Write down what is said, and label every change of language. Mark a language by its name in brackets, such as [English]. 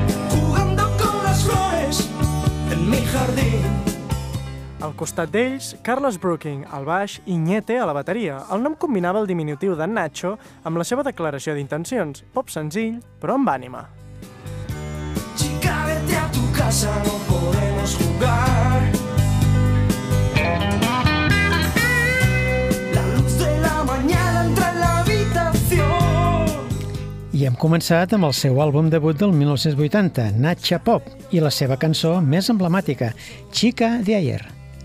[Spanish] jugando con las flores en mi jardín. [Catalan] Al costat d'ells, Carlos Brooking, al baix, i Ñete, a la bateria. El nom combinava el diminutiu de Nacho amb la seva declaració d'intencions. Pop senzill, però amb ànima. [Spanish] Chica, vete a tu casa, no podemos jugar. La luz de la mañana entra en la habitación. [Catalan] I hem començat amb el seu àlbum debut del 1980, Nacha Pop, i la seva cançó més emblemàtica, Chica de ayer.